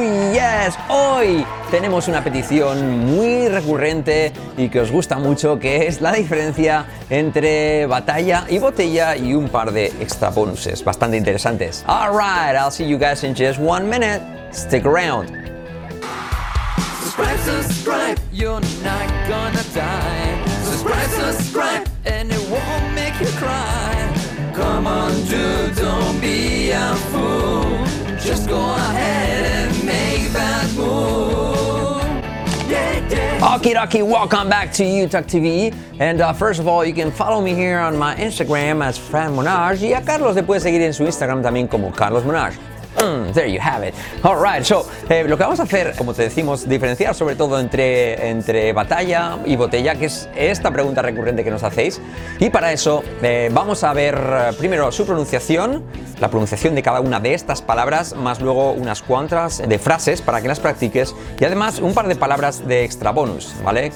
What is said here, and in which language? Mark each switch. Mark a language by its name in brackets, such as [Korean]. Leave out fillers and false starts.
[Spanish] Yes, hoy tenemos una petición muy recurrente y que os gusta mucho, que es la diferencia entre batalla y botella y un par de extra bonuses bastante interesantes. [English] All right, I'll see you guys in just one minute. Stick around. Subscribe, you're not gonna die. Subscribe, and it won't make you cry. Come on, dude, don't be a fool. Just go ahead and make that move. Yeah, yeah. Okie dokie, welcome back to UTalk TV. And first of all, you can follow me here on my Instagram as Fran Monage. [Spanish] Y a Carlos le puede seguir en su Instagram también como Carlos Monage. [English] There you have it. [Spanish] All right, so lo que vamos a hacer, como te decimos, diferenciar sobre todo entre batalla y botella, que es esta pregunta recurrente que nos hacéis. Y para eso vamos a ver primero su pronunciación, la pronunciación de cada una de estas palabras, más luego unas cuantas de frases para que las practiques, y además un par de palabras de extra bonus, ¿vale?